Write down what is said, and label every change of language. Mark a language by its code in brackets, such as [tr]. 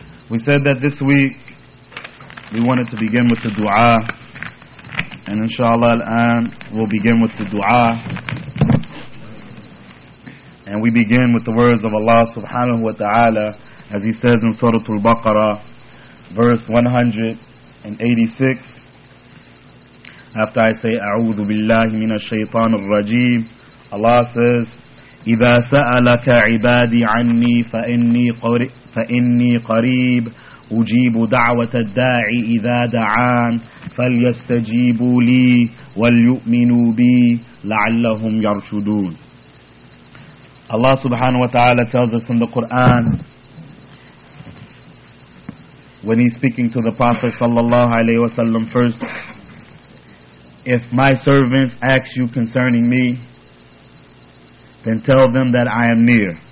[en] We said that this week we wanted to begin with the dua, and inshallah al-an we'll begin with the dua, and we begin with the words of Allah subhanahu wa ta'ala, as he says in Surah Al-Baqarah, verse 186. After I say [ar] أعوذ بالله من الشيطان الرجيم, [en] Allah says, [ar] إذا سألك عبادي عني فإني قريب أجيب دعوة الداعي إذا دعان فليستجيبوا لي وليؤمنوا بي لعلهم يرشدون. [en] Allah subhanahu wa ta'ala tells us in the Quran, when he's speaking to the Prophet sallallahu alayhi wa sallam first, if my servants ask you concerning me, then tell them that I am near.